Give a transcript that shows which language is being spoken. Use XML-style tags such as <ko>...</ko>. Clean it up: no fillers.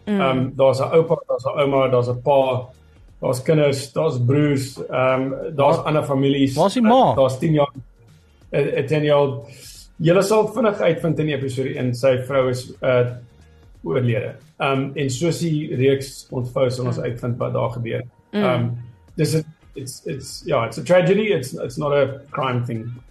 <af>Daar is een opa, daar is een oma, daar is een pa, daar is kinders, daar is broers, daar is ander families. Waar is die ma? Daar is 10 jaar oud. Julle sal vinnig uitvind in die episode en sy vrou is oorlede. En soos die reeks ontvou sal ons uitvind wat daar gebeur.</af> <en>It's a tragedy, it's not a crime thing.</en>